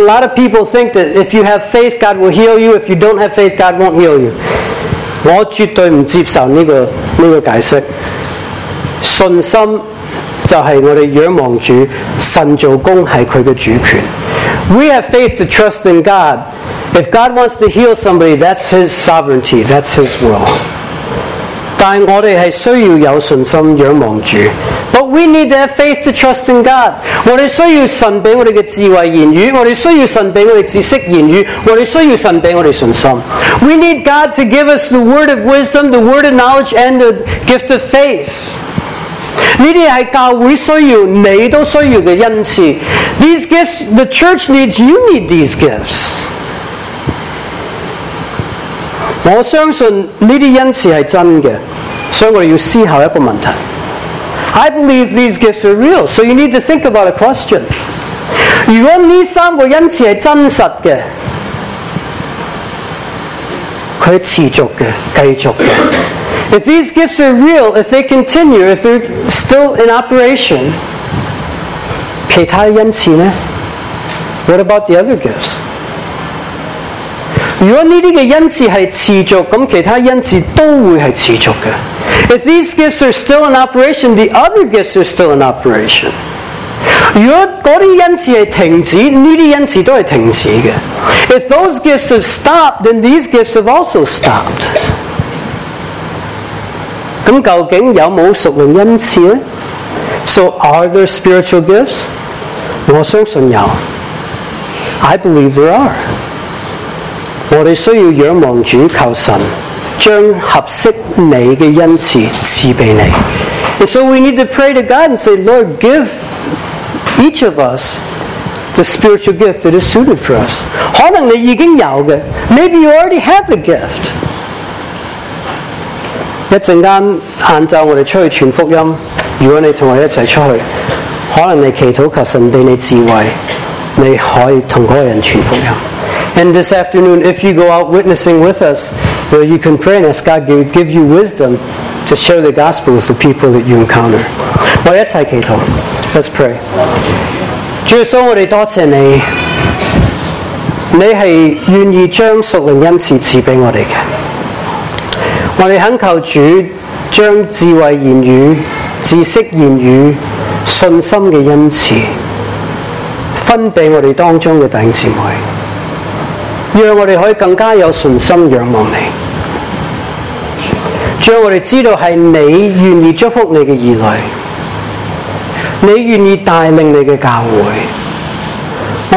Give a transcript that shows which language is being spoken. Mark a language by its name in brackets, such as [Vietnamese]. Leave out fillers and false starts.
[English] A lot of people think that if you have faith, God will heal you. If you don't have faith, God won't heal you. [Chinese] 我绝对不接受这个解释。信心就是我们仰望主，神做工是祂的主权。 [English] We have faith to trust in God. If God wants to heal somebody, that's His sovereignty, that's His will. [Chinese] 但我们是需要有信心仰望主。 [English] But we need to have faith to trust in God. [Chinese] 我们需要神给我们的智慧言语，我们需要神给我们的知识言语，我们需要神给我们的信心。 [English] We need God to give us the word of wisdom, the word of knowledge, and the gift of faith. [Chinese] 这些是教会需要，你都需要的恩赐。 [English] These gifts, the church needs, you need these gifts. [Chinese] 我相信这些恩赐是真的，所以我们要思考一个问题。 [English] I believe these gifts are real, so you need to think about a question. [Chinese] 如果这三个恩赐是真实的，它是持续的，继续的。 [English] If these gifts are real, if they continue, if they're still in operation, [Chinese] 其他恩赐呢？ [English] What about the other gifts? [Chinese] 如果这些恩赐是持续，那其他恩赐都会是持续的。 [English] If these gifts are still in operation, the other gifts are still in operation. [Chinese] 如果那些恩赐是停止，这些恩赐都是停止的。 [English] If those gifts have stopped, then these gifts have also stopped. [Chinese] 那究竟有没有属灵恩赐呢？ [English] So are there spiritual gifts? [Chinese] 我相信有。 [English] I believe there are. [Chinese] 我们需要仰望主，求神。将合适你的恩赐赐给你。 [English] And so we need to pray to God and say, Lord, give each of us the spiritual gift that is suited for us. [Chinese] 可能你已经有的， [English] maybe you already have the gift. [Chinese] 一阵间下午我们出去传福音，如果你跟我一起出去，可能你祈祷求神给你智慧，你可以跟那个人传福音。 [English] And this afternoon, if you go out witnessing with us, well, you can pray and ask God to give you wisdom to share the gospel with the people that you encounter. Let's pray. [Chinese] 主耶稣，我们多谢你，你是愿意将属灵恩赐赐给我们的。我们恳求主将智慧言语、知识言语信心的恩赐分给我们当中的弟兄姊妹，让我们可以更加有信心仰望你，让我们知道是你愿意祝福你的儿女，你愿意带领你的教会。